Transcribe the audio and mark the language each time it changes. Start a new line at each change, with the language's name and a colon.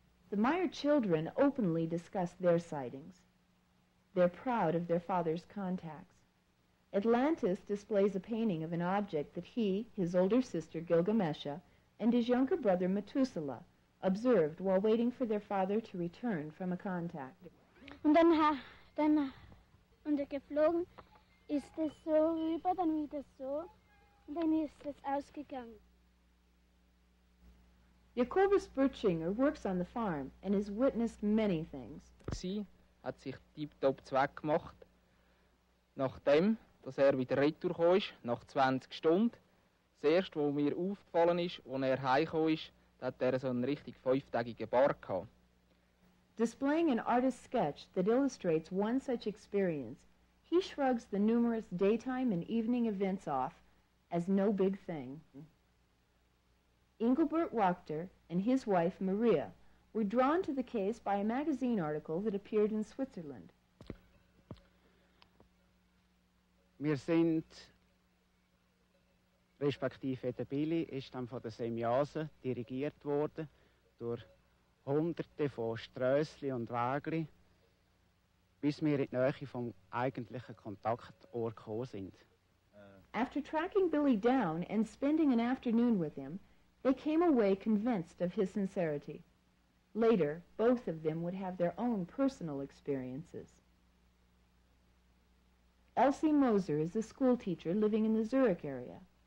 English: The Meier children openly discuss their sightings. They're proud of their father's contacts. Atlantis displays a painting of an object that he, his older sister Gilgamesha, and his younger brother Methuselah observed while waiting for their father to return from a contact.
Swiss German: Und dann und geflogen ist es so rüber, dann wieder so, und dann ist es ausgegangen.
English: Jakobus Birchinger works on the farm and has witnessed many things.
Swiss German: Sie hat sich tiptop zweggemacht, nachdem, dass er wieder retour gekommen ist, nach 20 Stunden. Das erste, was mir aufgefallen ist, als er heimgekommen ist, hat er so einen richtig fünftägigen Bart gehabt.
English: Displaying an artist's sketch that illustrates one such experience, he shrugs the numerous daytime and evening events off as no big thing. Engelbert Wachter and his wife Maria were drawn to the case by a magazine article that appeared in Switzerland.
Swiss German: Wir sind, respektive der Billy, ist dann von der Semyaza dirigiert worden durch hunderte von Strössli und Wägli, bis wir in die Nähe vom eigentlichen Kontaktort gekommen sind.
English: After tracking Billy down and spending an afternoon with him, they came away convinced of his sincerity. Later, both of them would have their own personal experiences. Elsie Moser is a school teacher living in the Zurich area.